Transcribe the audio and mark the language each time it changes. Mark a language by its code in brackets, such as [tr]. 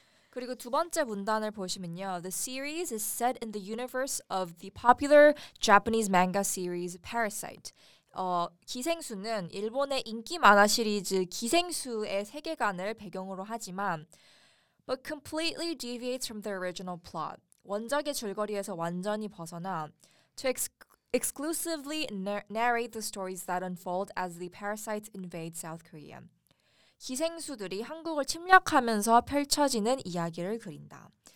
[ko] 그리고 두 번째 문단을 보시면요. [en] The series is set in the universe of the popular Japanese manga series Parasite. [ko] 기생수는 일본의 인기 만화 시리즈 기생수의 세계관을 배경으로 하지만 [en] but completely deviates from the original plot. [ko] 원작의 줄거리에서 완전히 벗어나 [en] to, ex- exclusively narrate the stories that unfold as the parasites invade South Korea. [ko] 기생수들이 한국을 침략하면서 펼쳐지는 이야기를 그린다.